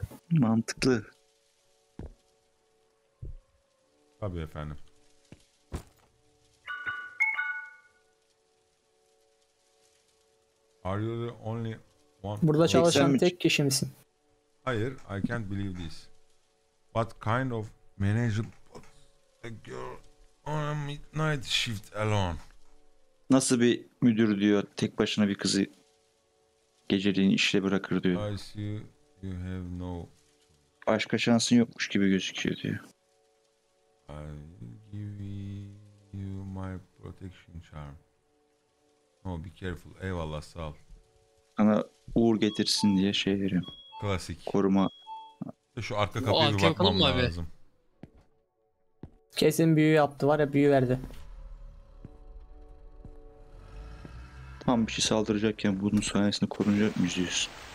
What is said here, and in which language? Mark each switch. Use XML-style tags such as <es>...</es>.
<tr>Mantıklı. Tabii efendim.</tr> <en>Are you the only one?</en> <tr>Burada çalışan tek kişi misin? Hayır,</tr> <en>I can't believe this. What kind of manager put a girl on a midnight shift alone?</en> <tr>Nasıl bir müdür diyor, tek başına bir kızı geceliğin işle bırakır diyor.</tr> <en>I see you have no...</en> <tr>Başka şansın yokmuş gibi gözüküyor diyor.</tr> <en>I give you my protection charm. Oh, be careful.</en> <tr>Eyvallah, sağ ol. Sana uğur getirsin diye şey veriyorum. Klasik. Koruma. Şu arka kapıyı bir bakmam lazım. Abi. Kesin büyü yaptı var ya, büyü verdi. Tam bir şey saldıracakken bunun sayesinde korunacak mı diyorsun?</tr>